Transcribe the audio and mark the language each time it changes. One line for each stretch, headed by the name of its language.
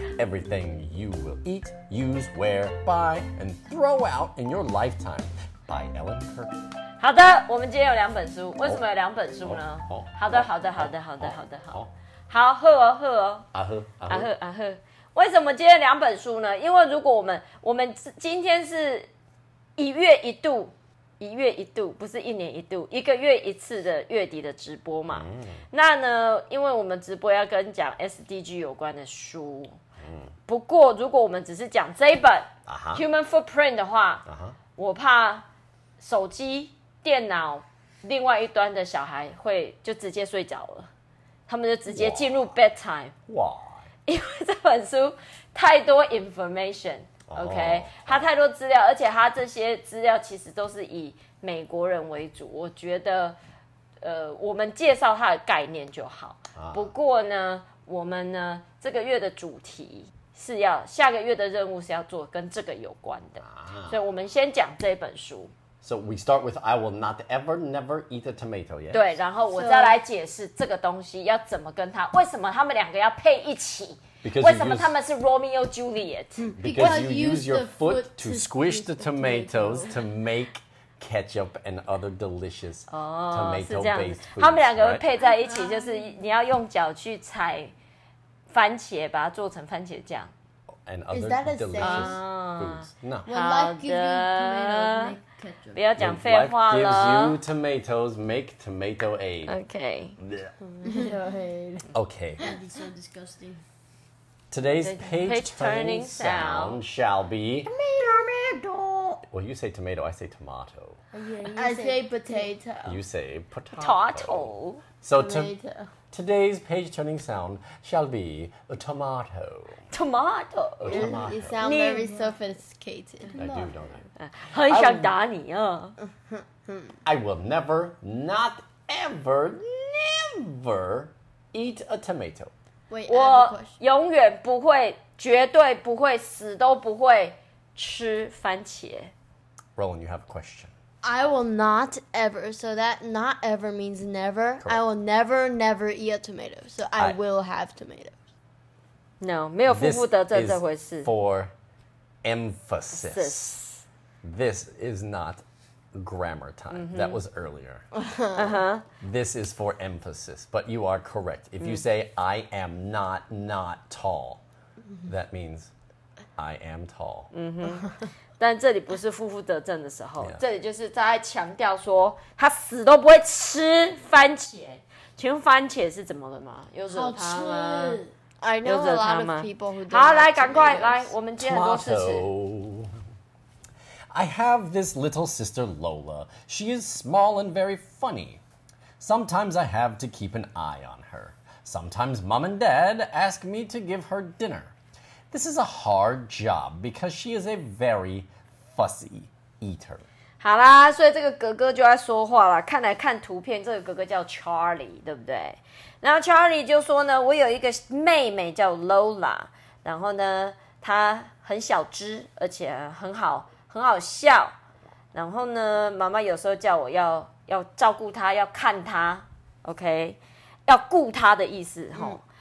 English: Everything you will eat, use, wear, buy, and throw out in your lifetime. By Ellen Kirk.
Chinese: 好的，我们今天有两本书。为什么有两本书呢？好的，好的，好的，好的，好的，好。好，喝哦，喝哦。啊喝，啊喝，啊喝。为什么今天两本书呢？因为如果我们今天是一月一度。一月一度不是一年一度一个月一次的月底的直播嘛、那呢因为我们直播要跟讲 SDG 有关的书、不过如果我们只是讲这一本、Human Footprint 的话、我怕手机电脑另外一端的小孩会就直接睡着了他们就直接进入 bedtime 哇因为这本书太多 informationOK， 他太多资料，而且他这些资料其实都是以美国人为主。我觉得，我们介绍他的概念就好。不过呢，我们呢这个月的主题是要下个月的任务是要做跟这个有关的，所以我们先讲这本书。
English: So we start with I will not ever never eat a tomato. Yes.
Chinese: 对，然后我再来解释这个东西要怎么跟他，为什么他们两个要配一起。
English: Because
Chinese: 为什么他们是 Romeo Juliet?
English: Because you use your foot to squish the tomatoes to make ketchup and other delicious tomato-based foods.
Chinese: 他们两个会配在一起，就是你要用脚去踩番茄，把它做成番茄酱。
English: And other delicious foods.
Chinese: 好的，不要讲废话了。
English: Life gives you tomatoes, make tomato aid. Okay. Okay. That'd be so disgusting. Today's page turning sound shall be... Tomato! Well, you say tomato, I say tomato. Oh, yeah, I say potato. You say potato. Potato. So today's page turning sound shall be a tomato. Tomato. A tomato. You sound very sophisticated. I do, don't I?
Chinese: 很想打你啊。
English: I will never, not ever, never eat a tomato. Wait,
Chinese: 我永远不会，绝对不会，死都不会吃番茄。
English: Roland, you have a question. I will not ever, so that not ever means never.、 Correct. I will never, never eat a tomato, so I will have tomatoes. No,
Chinese: 没有负负得正这回事。
English: This is for emphasis. This is not grammar time. Mm-hmm. That was earlier. Uh-huh. This is for emphasis, but you are correct. If you say, I am not, not tall, that means I am tall. Mm-hmm.
Chinese: 但这里不是负负得正的时候、
English: yeah.
Chinese: 这里就是在强调说他死都不会吃番茄。请问番茄是怎么了吗？又惹他吗？
English: I know a lot of people who don't.
Chinese: 好，来，赶快来，我们接很多事实。
English: I have this little sister Lola. She is small and very funny. Sometimes I have to keep an eye on her. Sometimes mom and dad ask me to give her dinner. This is a hard job because she is a very fussy eater.
Chinese: 好啦，所以这个哥哥就在说话了。看来看图片，这个哥哥叫 Charlie， 对不对？然后 Charlie 就说呢，我有一个妹妹叫 Lola， 然后呢，她很小只，而且很好，很好笑。然后呢，妈妈有时候叫我要照顾她，要看她 ，OK， 要顾她的意思哈、嗯。